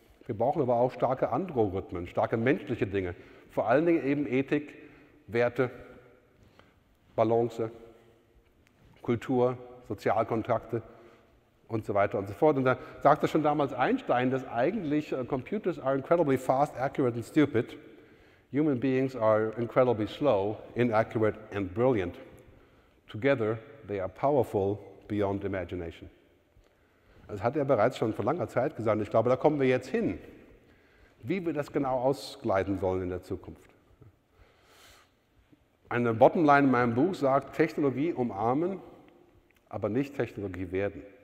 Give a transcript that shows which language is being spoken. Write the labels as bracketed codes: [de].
[de] Wir brauchen aber auch starke Algorithmen, starke menschliche Dinge. Vor allen Dingen eben Ethik, Werte, Balance, Kultur, Sozialkontakte und so weiter und so fort. Und da sagte schon damals Einstein, dass eigentlich [en] Computers are incredibly fast, accurate and stupid. Human beings are incredibly slow, inaccurate and brilliant. Together they are powerful beyond imagination. [de] Das hat er bereits schon vor langer Zeit gesagt. Ich glaube, da kommen wir jetzt hin. Wie wir das genau ausgleiten sollen in der Zukunft. Eine Bottomline in meinem Buch sagt, Technologie umarmen, aber nicht Technologie werden.